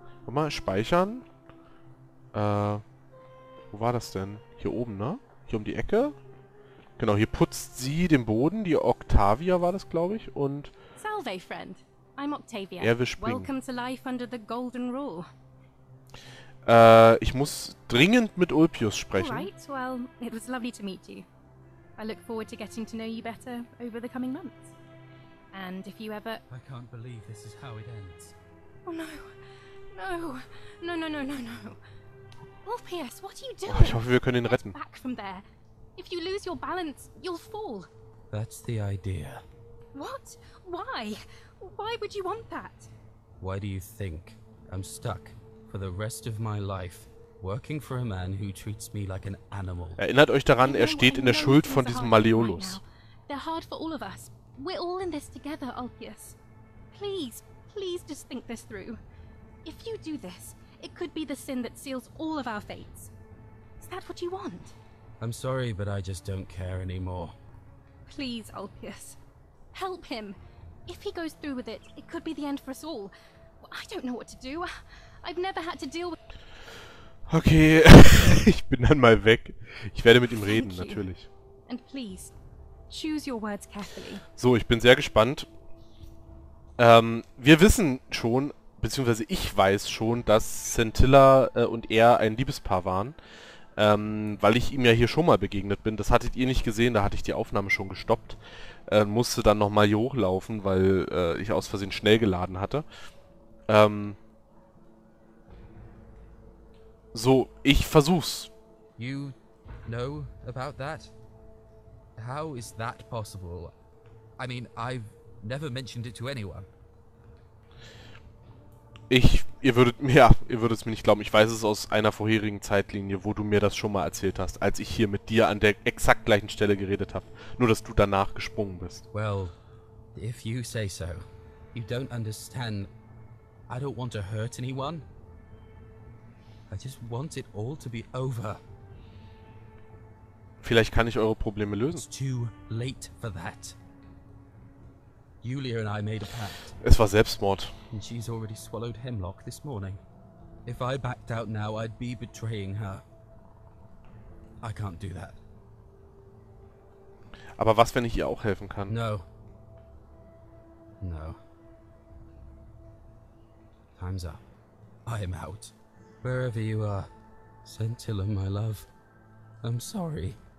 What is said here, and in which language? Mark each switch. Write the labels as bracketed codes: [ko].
[de] Warte mal, speichern. Wo war das denn? Hier oben, ne? Hier um die Ecke? Genau, hier putzt sie den Boden. Die Octavia war das, glaube ich. Und [en] Salve, Freund. I'm Octavia. [de] Er will springen. [en] Welcome to life under the golden rule. [de] Ich muss dringend mit Ulpius sprechen. [en] Alright, well, it was lovely to meet you. I look forward to getting to know you better over the coming months. And if you ever... I can't believe this is how it ends. Oh no. No. No, no, no, no, no. Ulpius, what are you doing? [de] Oh, ich hoffe, wir können ihn retten. [en] Get back from there. If you lose your balance, you'll fall. That's the idea. What? Why? Why would you want that? Why do you think? I'm stuck for the rest of my life. Working for a man who treats me like an animal. [de] Erinnert euch daran, er steht in der Schuld von diesem Maleolus. [en] They're hard for all of us. We're all in this together, Ulpius. Please, please just think this through. If you do this, it could be the sin that seals all of our fates. Is that what you want? I'm sorry, but I just don't care anymore. Please, Ulpius. Help him. If he goes through with it, it could be the end for us all. I don't know what to do. I've never had to deal with... [de] Okay, ich bin dann mal weg. Ich werde mit ihm reden, natürlich. [en] And please, choose your words carefully. [de] So, ich bin sehr gespannt. Wir wissen schon, beziehungsweise ich weiß schon, dass Scintilla und er ein Liebespaar waren. Weil ich ihm ja hier schon mal begegnet bin. Das hattet ihr nicht gesehen, da hatte ich die Aufnahme schon gestoppt. Musste dann nochmal hier hochlaufen, weil ich aus Versehen schnell geladen hatte. So, ich versuch's. [en] You know about that? How is that possible? I mean, I've never mentioned it to anyone. [de] Ihr würdet es mir nicht glauben. Ich weiß es aus einer vorherigen Zeitlinie, wo du mir das schon mal erzählt hast, als ich hier mit dir an der exakt gleichen Stelle geredet habe. Nur, dass du danach gesprungen bist. [en] Well, if you say so. You don't understand. I don't want to hurt anyone. I just want it all to be over. [de] Vielleicht kann ich eure Probleme lösen. [en] It's too late for that. Julia and I made a pact. [de] Es war Selbstmord. [en] And she's already swallowed Hemlock this morning. If I backed out now, I'd be betraying her. I can't do that. [de] Aber was, wenn ich ihr auch helfen kann? [en] No. No. Time's up. I'm out. Wherever you are, Scintilla, my love. I'm sorry.